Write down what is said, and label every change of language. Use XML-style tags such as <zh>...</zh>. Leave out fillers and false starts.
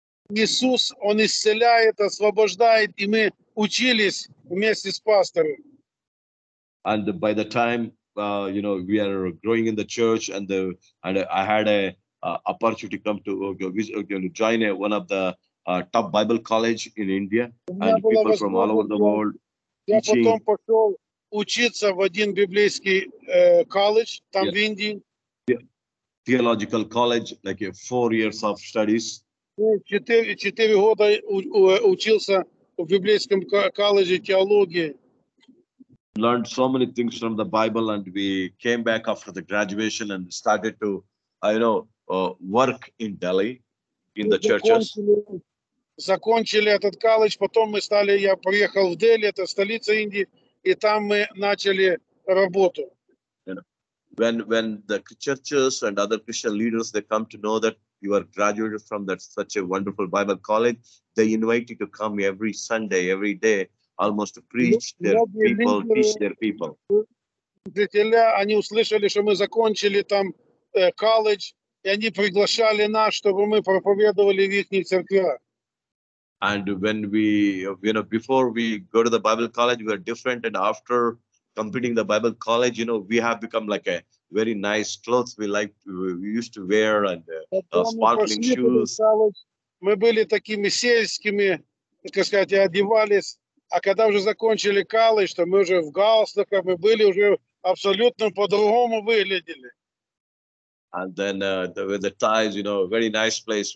<ru>Иисус, Он исцеляет, освобождает, и мы учились вместе с пастором.</ru> <en>And by the time, we are growing in the church, and I had a opportunity come to join one of the top Bible college in India, and people from all over the world teaching.</en> <ru>Я потом пошел учиться в один библейский колледж там в Индии.</ru> <en>Theological college, like 4 years of studies.</en> <ru>Четыре года учился в библейском колледже теологии.</ru> <en>Learned so many things from the Bible, and we came back after the graduation and started to, work in Delhi, in the churches.</en> <ru>Закончили этот колледж, потом я приехал в Дели, это столица Индии, и там мы начали работу.</ru> <en>When the churches and other Christian leaders, they come to know that you are graduated from that such a wonderful Bible college, they invite you to come every Sunday, every day, almost to preach their people, teach their people.</en> <ru>Учителя, они услышали, что мы закончили там колледж, и они приглашали нас, чтобы мы проповедовали в их церквях.</ru> <en>And when we, before we go to the Bible college, we are different, and after completing the Bible college, we have become like a very nice clothes we used to wear, and sparkling shoes.</en> <ru>Мы были такими сельскими, одевались, а когда уже закончили колледж, что мы уже в галстуках, мы были уже абсолютно по-другому выглядели.</ru> <en>And then with the ties, very nice place.</en>